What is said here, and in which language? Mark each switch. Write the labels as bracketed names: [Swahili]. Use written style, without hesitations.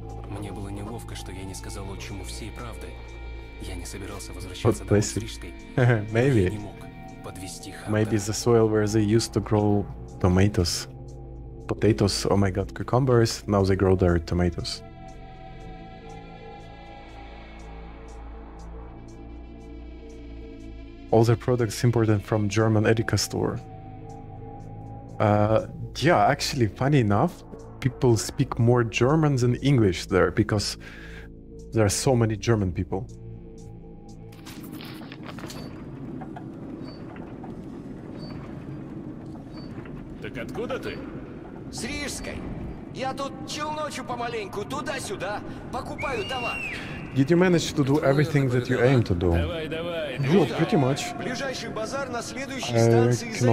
[Russian] Мне было неловко, что я не сказал отчиму всей правды. Я не собирался возвращаться домой с Рижской. [English] Maybe. Maybe the soil where they used to grow tomatoes, potatoes, oh my god, cucumbers, now they grow their tomatoes. All their products imported from German Edeka store. Yeah, actually, funny enough, people speak more German than English there, because there are so many German people. [Russian] Откуда ты? С Рижской. Я тут челночу помаленьку, туда-сюда, покупаю товар. [English] Did you manage to do everything that you aimed to do? [Russian] Давай. [English] Well, pretty much. [Russian] Ближайший базар на следующей станции за...